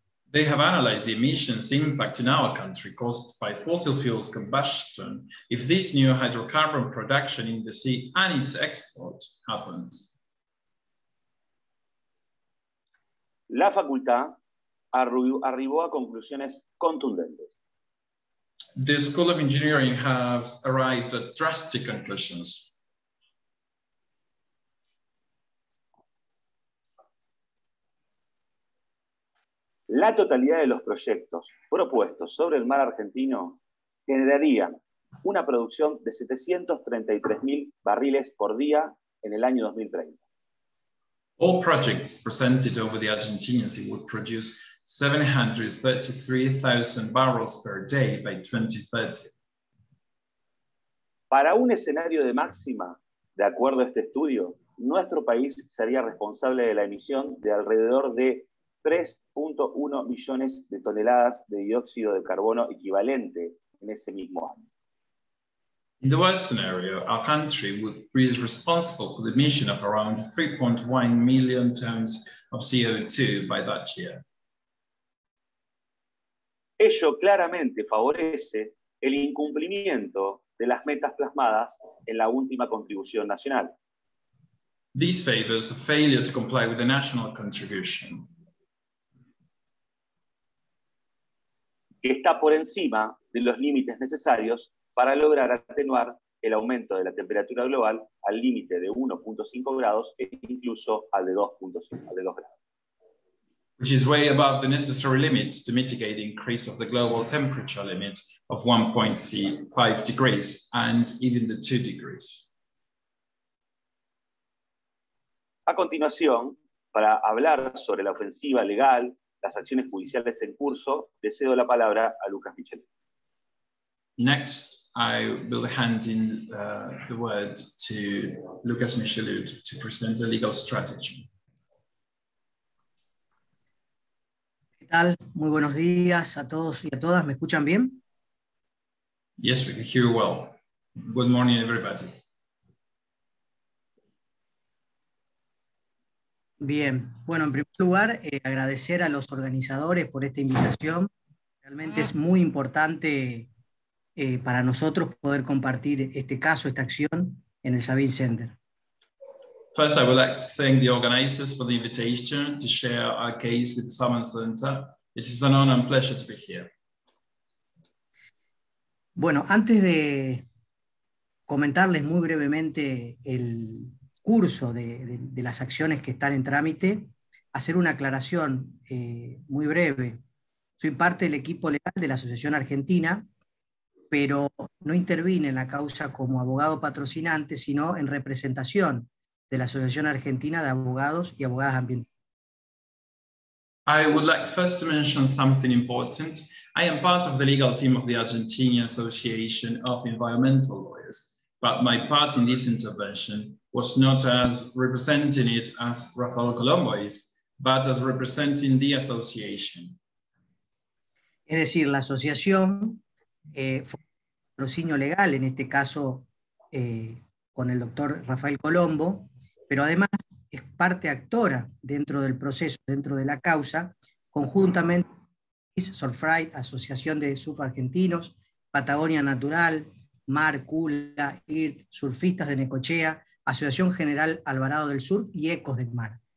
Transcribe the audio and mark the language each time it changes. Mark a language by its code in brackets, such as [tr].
[en] They have analyzed the emissions impact in our country caused by fossil fuels combustion if this new hydrocarbon production in the sea and its export happens. [es] La facultad arribó a conclusiones contundentes. [en] The School of Engineering has arrived at drastic conclusions. [es] La totalidad de los proyectos propuestos sobre el mar argentino generarían una producción de 733,000 barriles por día en el año 2030. [en] All projects presented over the Argentine Sea would produce 733,000 barrels per day by 2030. [es] Para un escenario de máxima, de acuerdo a este estudio, nuestro país sería responsable de la emisión de alrededor de 3.1 millones de toneladas de dióxido de carbono equivalente en ese mismo año. [en] In the worst scenario, our country would be responsible for the emission of around 3.1 million tons of CO2 by that year. [es] Ello claramente favorece el incumplimiento de las metas plasmadas en la última contribución nacional. [en] This favors a failure to comply with the national contribution, [es] que está por encima de los límites necesarios para lograr atenuar el aumento de la temperatura global al límite de 1.5 grados e incluso al de 2 grados. [en] Which is way above the necessary limits to mitigate the increase of the global temperature limit of 1.5 degrees and even the 2 degrees. [es] A continuación, para hablar sobre la ofensiva legal, las acciones judiciales en curso, le cedo la palabra a Lucas Micheloud. [en] Next, I will hand in the word to Lucas Micheloud to present the legal strategy. [es] ¿Qué tal? Muy buenos días a todos y a todas. ¿Me escuchan bien? [en] Yes, we can hear you well. Good morning, everybody. [es] Bien. Bueno, en primer lugar, agradecer a los organizadores por esta invitación. Realmente es muy importante para nosotros poder compartir este caso, esta acción en el Sabin Center. [en] First, I would like to thank the organizers for the invitation to share our case with the Sabin Center. It is an honor and pleasure to be here. [es] Bueno, antes de comentarles muy brevemente el curso de las acciones que están en trámite, hacer una aclaración muy breve. Soy parte del equipo legal de la Asociación Argentina, pero no intervine en la causa como abogado patrocinante, sino en representación de la Asociación Argentina de Abogados y Abogadas Ambientales. [en] I would like first to mention something important. I am part of the legal team of the Argentinian Association of Environmental Lawyers, but my part in this intervention was not as representing it as Rafael Colombo is, but as representing the association. [es] Es decir, la asociación fue un patrocinio legal, en este caso con el doctor Rafael Colombo, pero además es parte actora dentro del proceso, dentro de la causa, conjuntamente con Surfright, Asociación de Surf Argentinos, Patagonia Natural, Mar, Kula, IRT, Surfistas de Necochea, Asociación General Alvarado del Sur y Ecos del Mar.